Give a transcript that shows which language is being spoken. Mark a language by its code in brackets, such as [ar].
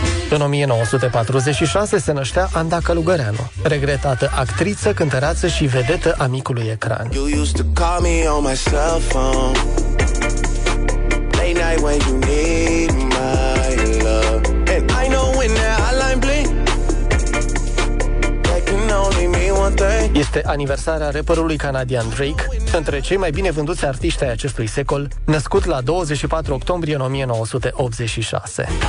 [ro] În 1946 se năștea Anda Călugăreanu, regretată actriță, cântăreață și vedetă a micului ecran. [en] You used to call me on my cell phone, late night when you need my love. And I know when that hotline bling, that can only mean one thing. [ro] Este aniversarea rapperului canadian Drake, între cei mai bine vânduți artiști ai acestui secol, născut la 24 octombrie 1986.